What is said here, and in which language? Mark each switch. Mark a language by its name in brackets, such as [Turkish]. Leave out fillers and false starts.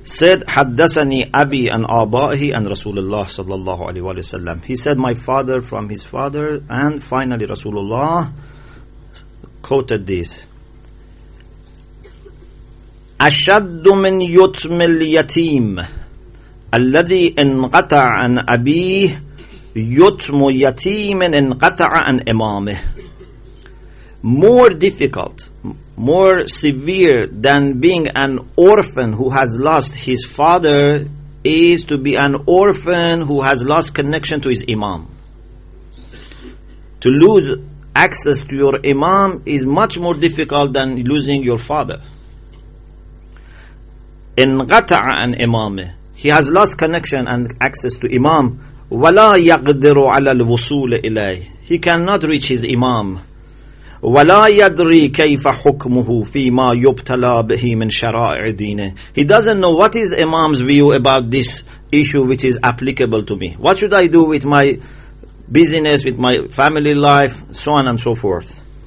[English] said, [Arabic] حدثني أبي أن آبائه أن رسول الله صلى الله عليه وسلم. [English] He said, my father from his father, and finally Rasulullah quoted this. [Arabic] أشد من يتم اليتيم الذي انقطع عن أبيه يتم يتيم انقطع عن إمامه. [English] More difficult, more severe than being an orphan who has lost his father is to be an orphan who has lost connection to his imam. To lose access to your imam is much more difficult than losing your father. [Arabic] انقطع عن امامه. [English] He has lost connection and access to imam. [Arabic] ولا يقدر على الوصول إليه. [English] He cannot reach his imam. [Arabic] وَلَا يَدْرِي كَيْفَ حُكْمُهُ فِي مَا يُبْتَلَى بِهِ مِنْ شَرَائِعِ دِينِهِ. [English] He doesn't know what is Imam's view about this issue which is applicable to me. What should I do with my business, with my family life, so on and so forth.